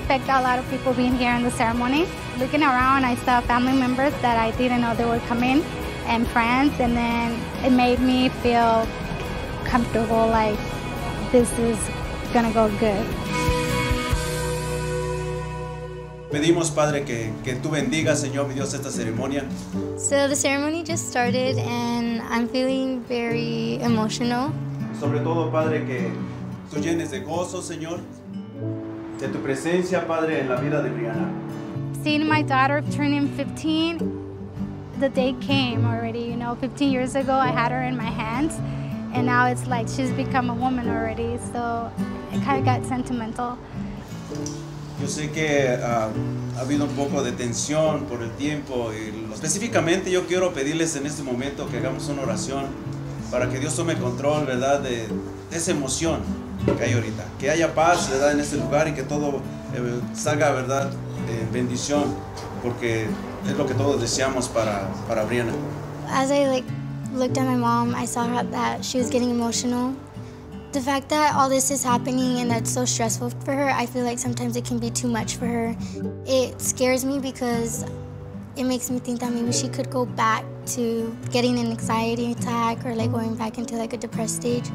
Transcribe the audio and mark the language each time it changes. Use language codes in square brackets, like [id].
[en] A lot of people being here in the ceremony. Looking around, I saw family members that I didn't know they would come in and friends, and then it made me feel comfortable, like this is gonna go good. [es] Pedimos, Padre, que tú bendiga, Señor, mi Dios, esta ceremonia. [en] So the ceremony just started and I'm feeling very emotional. [es] Sobre todo, Padre, que tú llenes de gozo, Señor, de tu presencia, Padre, en la vida de Brianna. [en] Seeing my daughter turning 15, the day came already, you know. 15 years ago, I had her in my hands, and now it's like she's become a woman already, so it kind of got sentimental. [es] Yo sé que ha habido un poco de tensión por el tiempo, y específicamente yo quiero pedirles en este momento que hagamos una oración para que Dios tome control, ¿verdad?, de esa emoción que hay ahorita. Que haya paz, ¿verdad?, en este lugar y que todo salga, ¿verdad?, bendición, porque es lo que todos deseamos para Brianna. [en] As I like looked at my mom, I saw that she was getting emotional. The fact that all this is happening and that's so stressful for her, I feel like sometimes it can be too much for her. It scares me because it makes me think that maybe she could go back to getting an anxiety attack or like going back into like a depressed stage.